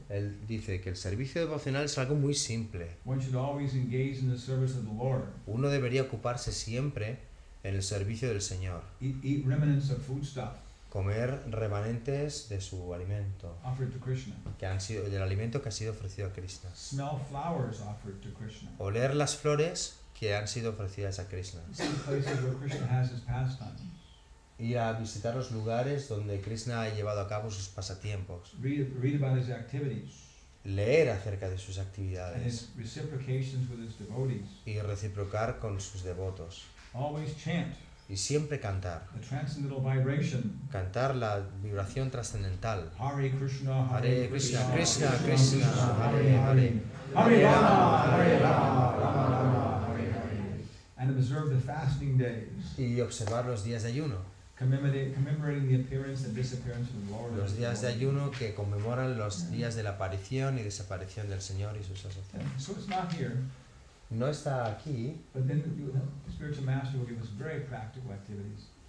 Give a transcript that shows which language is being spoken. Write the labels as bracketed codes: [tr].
[es] Él dice que el servicio devocional es algo muy simple. [en] One should always engage in the service of the Lord. [es] Uno debería ocuparse siempre en el servicio del Señor. [en] Eat remnants of food stuff. [es] Comer remanentes de su alimento. [en] Offered to Krishna. [es] Que han sido del alimento que ha sido ofrecido a Krishna. [en] Smell flowers offered to Krishna. [es] Oler las flores que han sido ofrecidas a Krishna. [en] See places where Krishna has his pastime. [es] Ir a visitar los lugares donde Krishna ha llevado a cabo sus pasatiempos. [en] Read about his activities. [es] Leer acerca de sus actividades. [en] And his reciprocations with his devotees. [es] Y reciprocar con sus devotos. [en] Always chant. [es] Y siempre cantar. [en] The transcendental vibration. [es] Cantar la vibración trascendental. Hare Krishna, Hare Krishna, Krishna Krishna, Hare Hare. Hare Rama, Hare Rama, Rama Rama, Hare Hare. [en] And observe the fasting days. [es] Y observar los días de ayuno. [en] Commemorating the appearance and disappearance of the Lord. [es] Los días de ayuno que conmemoran los días de la aparición y desaparición del Señor y sus asociados. [en] So it's not here. [es] No está aquí. [en] But then the spiritual master will give us very practical activities.